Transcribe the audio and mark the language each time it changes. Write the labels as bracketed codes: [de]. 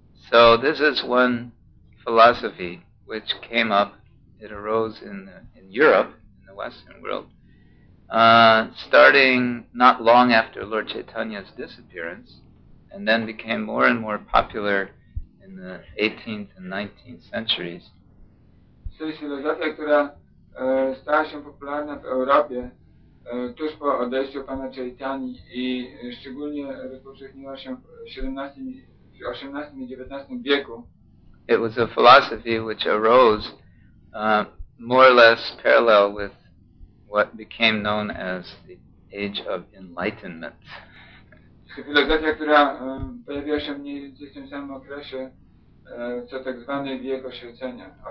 [en] So this is one philosophy which came up. It arose in Europe, in the Western world, starting not long after Lord Chaitanya's disappearance, and then became more and more popular in the 18th and 19th centuries. [pl] To jest filozofia, która stała się popularna w Europie tuż po odejściu pana Chaitanyi i szczególnie rozpowszechniła się w XVIII i XIX wieku. [en] It was a philosophy which arose more or less parallel with what became known as the Age of Enlightenment. [pl] Filozofia, która pojawiła się mniej więcej w tym samym okresie, co tak zwany wiek oświecenia.